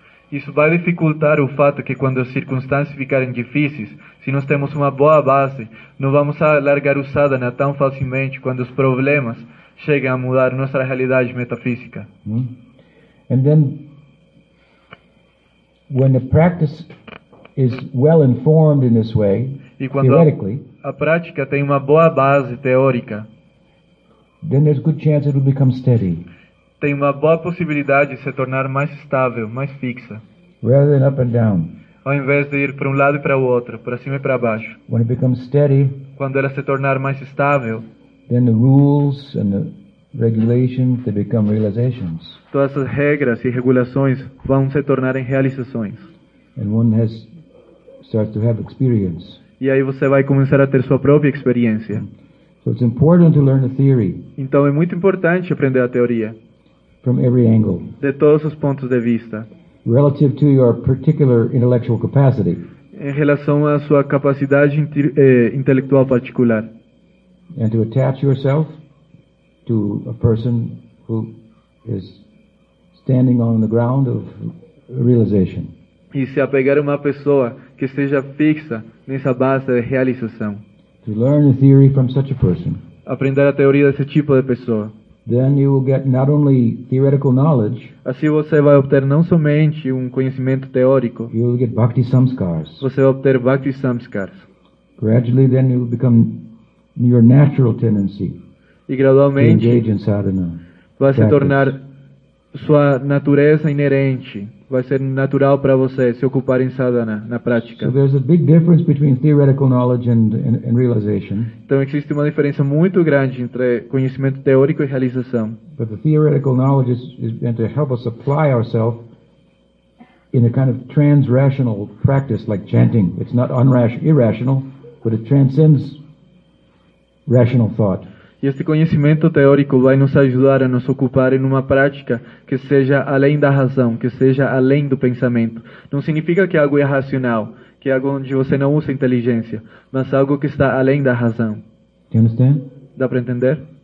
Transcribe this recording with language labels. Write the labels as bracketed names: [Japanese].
[Portuguese] Isso vai dificultar o fato que quando as circunstâncias ficarem difíceis, se nós temos uma boa base, não vamos largar o sadhana tão facilmente quando os problemas chegam a mudar nossa realidade metafísica. [English] And then, when the practice is well informed in this way, [Portuguese] e quando [English] theoretically, [Portuguese] a prática tem uma boa base teórica, [English] then there's good chance it will become steady. [Portuguese] Tem uma boa possibilidade de se tornar mais estável, mais fixa. [English] Rather than up and down. [Portuguese] Ao invés de ir para um lado e para o outro, para cima e para baixo. [English] When it becomes steady, [Portuguese] quando ela se tornar mais estável, [English] then the rules and the regulations, they become realizations. [Portuguese] Todas as regras e regulações vão se tornar em realizações. [English] And one has, starts to have experience. [Portuguese] E aí você vai começar a ter sua própria experiência. [English] So it's important to learn the theory. [Portuguese] Então é muito importante aprender a teoria. [English] From every angle. [Portuguese] De todos os pontos de vista. [English] Relative to your particular intellectual capacity. [Portuguese] Em relação à sua capacidade intelectual particular. [English] And to attach yourself to a person who is standing on the ground of realization. [Portuguese] E se apegar a uma pessoa que esteja fixa nessa base de realização. [English] To learn a theory from such a person. [Portuguese] Aprender a teoria desse tipo de pessoa. [English] Then you will get not only theoretical knowledge. [Portuguese] Assim você vai obter não somente conhecimento teórico. [English] You will get bhakti samskaras. [Portuguese] Você vai obter bhakti samskaras. [English] Gradually, then you will become your natural tendency. [Portuguese] E gradualmente. [English] To engage in sadhana. [Portuguese] Vai se tornar sua natureza inerente. Vai ser natural para você se ocupar em sadhana, na prática. So there's a big difference between theoretical knowledge and realization. Então existe uma diferença muito grande entre conhecimento teórico e realização. [English] But the theoretical knowledge is meant to help us apply ourselves in a kind of transrational practice like chanting. It's not irrational, but it transcends rational thought. [Portuguese] E esse conhecimento teórico vai nos ajudar a nos ocupar em uma prática que seja além da razão, que seja além do pensamento. Não significa que algo é irracional, que é algo onde você não usa inteligência, mas algo que está além da razão. [English] Do you understand? [Portuguese] Dá para entender?